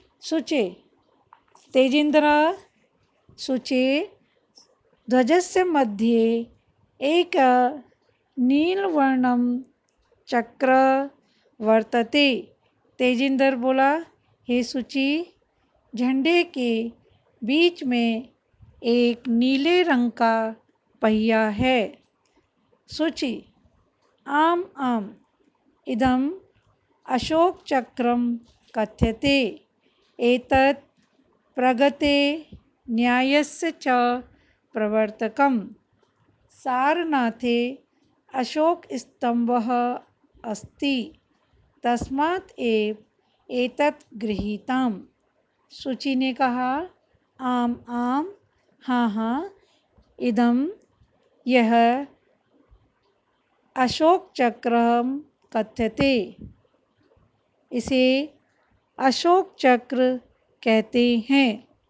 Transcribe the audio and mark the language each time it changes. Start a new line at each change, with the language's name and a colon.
Sanskrit: सुचे तेजेंद्र सुचे ध्वजस्य मध्ये एक नीलवर्णम चक्र वर्तते।
Hindi: तेजेंद्र बोला हे सुचि झंडे के बीच में एक नीले रंग का पहिया है।
Sanskrit: सुचि आम आम इदम अशोक चक्रम कथ्यते एतत् प्रगते न्यायस्य च प्रवर्तकम् सारनाथे अशोक स्तंभः अस्ति तस्मात् एव एतत् गृहीतम्।
Hindi: सुचि ने कहा
Sanskrit: आम आम
Hindi: हाँ हाँ
Sanskrit: इदम
Hindi: यह
Sanskrit: अशोक चक्रम कथ्यते
Hindi: इसे अशोक चक्र कहते हैं।